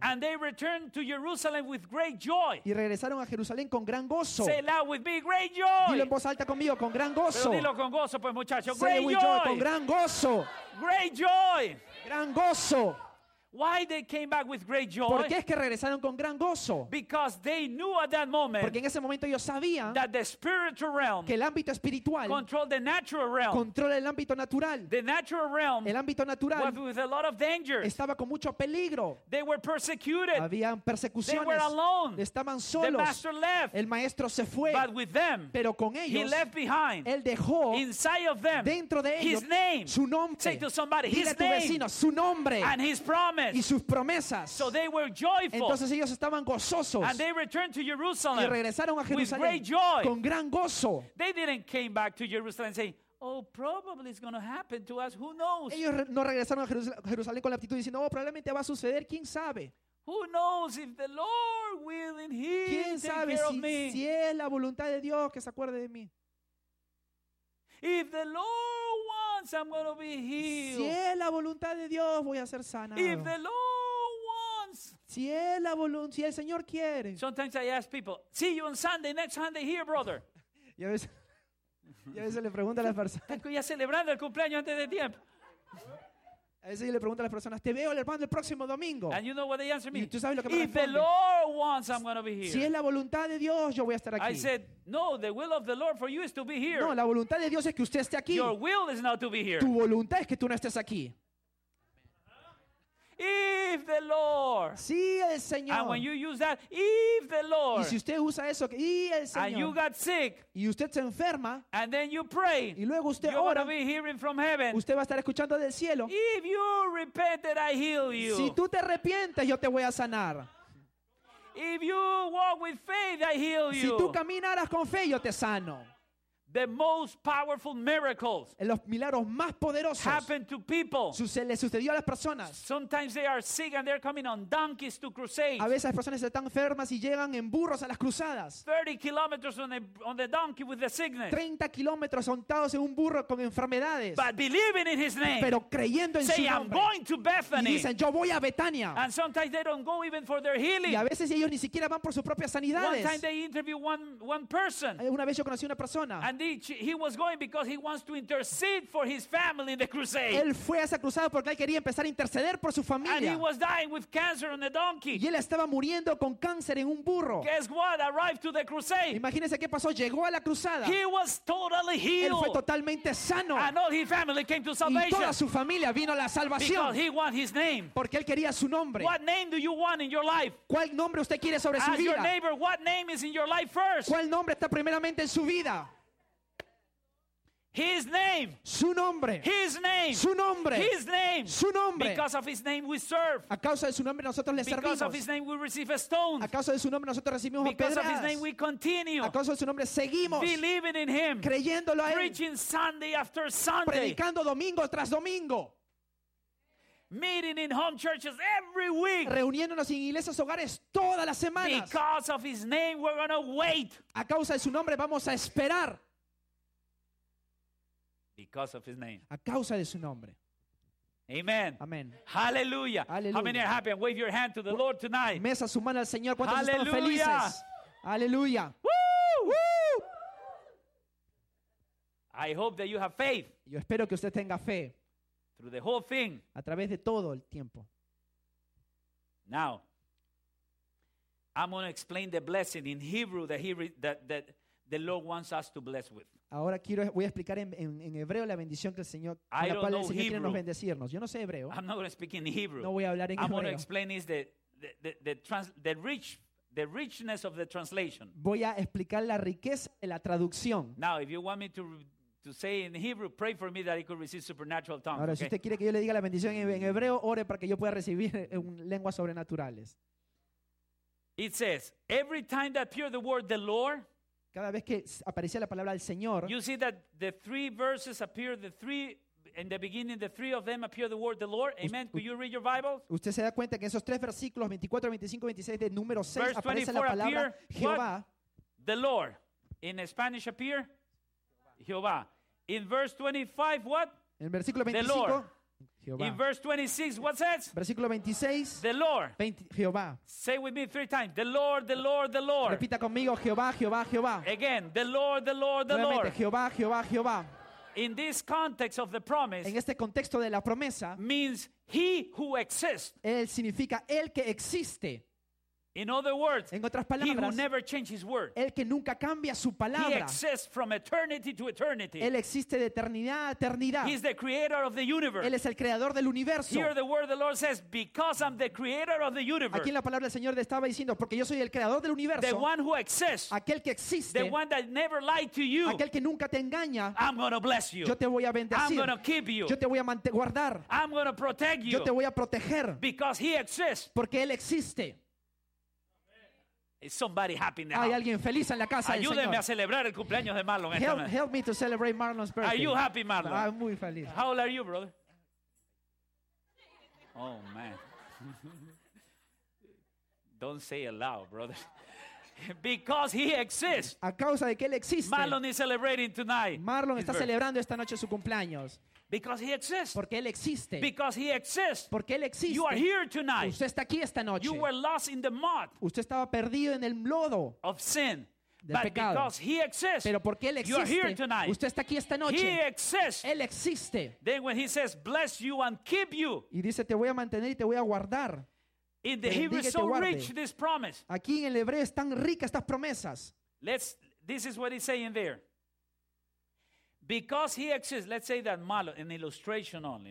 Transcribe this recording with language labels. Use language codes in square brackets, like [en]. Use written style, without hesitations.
[en] and they returned to Jerusalem with great joy, [es] y regresaron a Jerusalén con gran gozo. [en] Say loud with me, great joy. [es] Dilo en voz alta conmigo, con gran gozo. Pero dilo con gozo, pues, muchachos. [en] Say with joy, con gran gozo. Great joy. [es] Gran gozo. [en] Why they came back with great joy? [es] ¿Por qué es que regresaron con gran gozo? [en] Because they knew at that moment, [es] porque en ese momento ellos sabían, [en] that the spiritual realm, [es] que el ámbito espiritual, [en] controlled the natural realm, [es] controla el ámbito natural. [en] The natural realm, [es] el ámbito natural, [en] was with a lot of danger, [es] estaba con mucho peligro. [en] They were persecuted, [es] habían persecuciones. [en] They were alone, [es] estaban solos. [en] The master left, [es] el maestro se fue. [en] But with them, [es] pero con ellos, [en] he left behind, [es] él dejó, [en] inside of them, [es] dentro de ellos, [en] his name, [es] su nombre. [en] Say to somebody, [es] dile [en] his [es] a tu vecino, [en] name, [es] su nombre, [en] and his promise. [es] Y sus promesas. [en] So they were joyful. [es] Entonces ellos estaban gozosos. [en] And they returned to Jerusalem, [es] y regresaron a Jerusalén [en] with great joy, [es] con gran gozo. [en] They didn't came back to Jerusalem saying, oh, probably it's going to happen to us. Who knows? [es] Ellos no regresaron a Jerusalén con la actitud diciendo, oh, probablemente va a suceder. ¿Quién sabe? [en] Who knows if the Lord willing, he [es] ¿quién sabe [en] take care [es] si, [en] of me? [es] Si es la voluntad de Dios que se acuerde de mí? [en] If the Lord wants, I'm going to be healed. [es] Si es la voluntad de Dios, voy a ser sanado. [en] If the Lord wants, [es] si es la voluntad, si el Señor quiere. [en] Sometimes I ask people, see you on Sunday, next Sunday here, brother. [es] Y a veces le pregunto a las personas. Tengo ya celebrando el cumpleaños antes de tiempo. A veces yo le pregunto a las personas, te veo el hermano el próximo domingo. [en] And you know what they answer me? [es] Y tú sabes lo que me [en] if [es] responde. [en] If the Lord wants, I'm going to be here. [es] Si es la voluntad de Dios, yo voy a estar aquí. [en] I said, no, the will of the Lord for you is to be here. [es] No, la voluntad de Dios es que usted esté aquí. [en] Your will is not to be here. [es] Tu voluntad es que tú no estés aquí. [en] If the Lord. [es] Si el Señor. [en] And when you use that, if the Lord. [es] Y si usted usa eso, y el Señor. [en] And you got sick. [es] Y usted se enferma. [en] And then you pray. [es] Y luego usted [en] you're [es] ora. [en] You're going to be hearing from heaven. [es] Usted va a estar escuchando del cielo. [en] If you repent, that I heal you. [es] Si tú te arrepientes, yo te voy a sanar. [en] If you walk with faith, I heal you. [es] Si tú caminaras con fe, yo te sano. [en] The most powerful miracles. [es] Los milagros más poderosos. [en] Happen to people. [es] Le sucedió a las personas. [en] Sometimes they are sick and they're coming on donkeys to crusades. [es] A veces las personas están enfermas y llegan en burros a las cruzadas. [en] 30 kilometers on the donkey with the sickness. [es] 30 kilómetros montados en un burro con enfermedades. [en] But believing in his name. [es] Pero creyendo en [en] say, [es] su nombre. [en] I'm going to Bethany. [es] Y dicen, yo voy a Betania. [en] And sometimes they don't go even for their healing. [es] Y a veces ellos ni siquiera van por sus propias sanidades. [en] One time they interview one person. [es] Una vez yo conocí una persona. [en] He was going because he wants to intercede for his family in the crusade. [es] Él fue a esa cruzada porque él quería empezar a interceder por su familia. [en] And he was dying with cancer on a donkey. [es] Y él estaba muriendo con cáncer en un burro. [en] Guess what? Arrived to the crusade. [es] Imagínese qué pasó. Llegó a la cruzada. [en] He was totally healed. [es] Él fue totalmente sano. [en] And all his family came to salvation. [es] Y toda su familia vino a la salvación. [en] Because he wanted his name. [es] Porque él quería su nombre. [en] What name do you want in your life? [es] ¿Cuál nombre usted quiere sobre su vida? [en] Ask your neighbor, what name is in your life first? [es] ¿Cuál nombre está primeramente en su vida? [en] His name. [es] Su nombre. [en] His name. [es] Su nombre. [en] His name. [es] Su nombre. [en] Because of his name we serve. [es] A causa de su nombre nosotros le servimos. [en] Because of his name we receive a stone. [es] A causa de su nombre nosotros recibimos [en] pedradas. Because of his name we continue. [es] A causa de su nombre seguimos. [en] Believing in him. [es] Creyéndolo a él. [en] Preaching Sunday after Sunday. [es] Predicando domingo tras domingo. [en] Meeting in home churches every week. [es] Reuniéndonos en iglesias hogares todas las semanas. [en] Because of his name we're going to wait. [es] A causa de su nombre vamos a esperar. [en] Because of his name. [es] A causa de su nombre. [en] Amen. [es] Amen. [en] Hallelujah. [es] Hallelujah. [en] How many are happy? And wave your hand to the Lord tonight. [es] Mesa su mano al Señor. ¿Cuántos están felices? Hallelujah. Woo! Woo! [en] I hope that you have faith. [es] Yo espero que usted tenga fe. [en] Through the whole thing. [es] A través de todo el tiempo. [en] Now, I'm going to explain the blessing in Hebrew that the Lord wants us to bless with. [es] Ahora voy a explicar en hebreo la bendición que el Señor, la cual el Señor quiere nos bendecirnos. Yo no sé hebreo. [en] I'm not going to speak in Hebrew. [es] No voy a hablar en [en] I'm [es] hebreo. [en] I'm going to explain is the richness of the translation. [es] Voy a explicar la riqueza de la traducción. [en] Now, if you want me to to say in Hebrew, pray for me that I could receive supernatural tongues. [es] Ahora, [en] okay? [es] Si usted quiere que yo le diga la bendición en hebreo, ore para que yo pueda recibir lenguas sobrenaturales. [en] It says, every time that appeared the word the Lord, [es] cada vez que aparecía la palabra del Señor, [en] you see that the three verses appear, the three, in the beginning, the three of them appear the word the Lord. Amen. Could you read your Bibles? [es] Usted se da cuenta que esos tres versículos, 24, 25, 26, de número 6, verse aparece la palabra appear, Jehová. [en] The Lord. In Spanish appear? Jehová. In verse 25, what? [es] En versículo 25, the Lord. [en] Jehová. In verse 26, what says? [es] Versículo 26. [en] The Lord. [es] 20, Jehová. [en] Say with me three times. The Lord, the Lord, the Lord. [es] Repita conmigo, Jehová, Jehová, Jehová. [en] Again, the Lord, the Lord, the [es] nuevamente, [en] Lord. [es] Jehová, Jehová, Jehová. [en] In this context of the promise, [es] en este contexto de la promesa, [en] means he who exists. [es] Él significa el que existe. [en] In other words, [es] en otras palabras, [en] he who never changes his word. [es] El que nunca cambia su palabra. [en] He exists from eternity to eternity. [es] Él existe de eternidad a eternidad. [en] He is the creator of the universe. [es] Él es el creador del universo. [en] Here the word of the Lord says, because I'm the creator of the universe. [es] Aquí en la palabra del Señor estaba diciendo, porque yo soy el creador del universo. [en] The one who exists. [es] Aquel que existe. [en] The one that never lied to you. [es] Aquel que nunca te engaña. [en] I'm going to bless you. [es] Yo te voy a bendecir. [en] I'm going to keep you. [es] Yo te voy a guardar. [en] I'm going to protect you. [es] Yo te voy a proteger. [en] Because he exists. [es] Porque él existe. [en] Is somebody happy in the house? [es] Hay alguien feliz en la casa. Ayúdenme del Señor a celebrar el cumpleaños de Marlon. [en] Help me to celebrate Marlon's birthday. Are you happy, Marlon? [es] I'm muy feliz. [en] How old are you, brother? Oh man. Don't say it loud, brother. Because he exists. [es] A causa de que él existe. [en] Marlon is celebrating tonight. [es] Marlon está celebrando esta noche su cumpleaños. [en] Because he exists. [es] Porque él existe. [en] Because he exists. [es] Porque él existe. [en] You are here tonight. [es] Usted está aquí esta noche. [en] You were lost in the mud. [es] Usted estaba perdido en el lodo. [en] Of sin. [es] Del pecado. [en] Because he exists. [es] Pero porque él existe. [en] You are here tonight. [es] Usted está aquí esta noche. [en] He exists. [es] Él existe. [en] Then when he says, bless you and keep you. [es] Y dice, te voy a mantener y te voy a guardar. [en] In the Hebrew is so rich this promise. [es] Aquí en el hebreo están ricas estas promesas. [en] This is what he's saying there. Because he exists, let's say that Marlon, an illustration only.